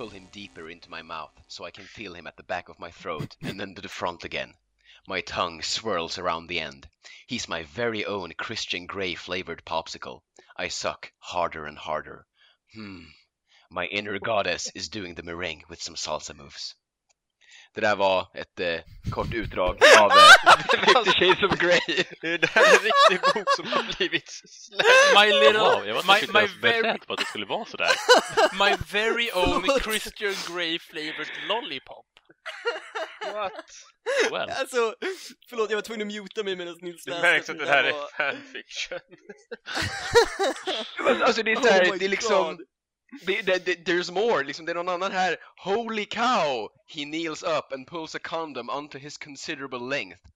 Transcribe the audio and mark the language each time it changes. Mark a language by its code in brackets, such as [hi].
[en] deeper into my mouth so I can feel him at the back of my throat and then to the front again. My tongue swirls around the end. He's my very own Christian Grey flavored popsicle. I suck harder and harder. My inner goddess is doing the meringue with some salsa moves. [sv] Det där var ett kort utdrag av [en] The Shades of Grey. [sv] Det är en riktig bok som har blivit [en] My little, wow, my very [sv] på att det skulle vara så där. [en] My very own Christian Grey flavored lollipop. What? Well. [sv] Alltså, förlåt, jag var tvungen att muta mig medan Nils läste. Det märks att det här är fanfiction. Alltså det är så här, oh det är liksom [en] there's more, [sv] liksom, det är någon annan här. [en] Holy cow, he kneels up and pulls a condom onto his considerable length.